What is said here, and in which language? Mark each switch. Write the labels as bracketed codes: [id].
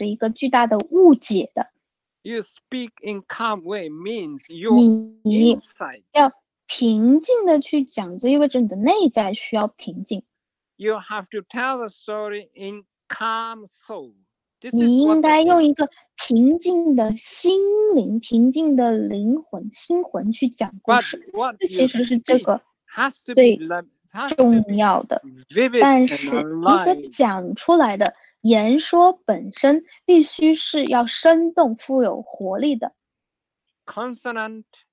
[zh] 所以呢，在这种讲故事的方式当中，其实是蕴含着一个巨大的误解的。 [en] You speak in calm way means your inside. [zh] 要平静的去讲，就意味着你的内在需要平静。 [en] You have to tell the story in calm soul. [zh] 你应该用一个平静的心灵、平静的灵魂、心魂去讲故事，这其实是这个最重要的。但是你所讲出来的言说本身必须是要生动、富有活力的。 [en] Consonant